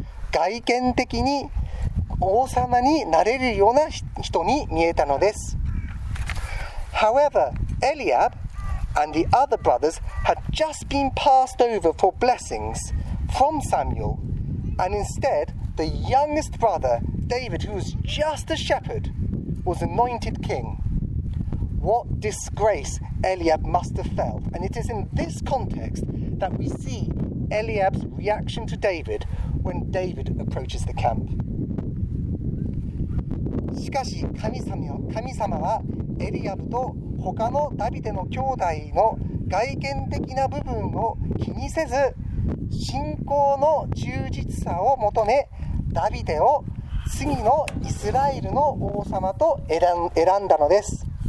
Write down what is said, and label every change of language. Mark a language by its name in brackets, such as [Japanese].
[Japanese] 外見的に王様になれるような人に見えたのです。 [English] However, Eliab and the other brothers had just been passed over for blessings from Samuel, and instead, the youngest brother,David, who was just a shepherd, was anointed king. What disgrace Eliab must have felt. And it is in this context that we see Eliab's reaction to David when David approaches the camp. [Japanese] しかし神様はエリアブと他のダビデの兄弟の外見的な部分を気にせず、信仰の忠実さを求め、ダビデを次のイスラエルの王様と選んだのです。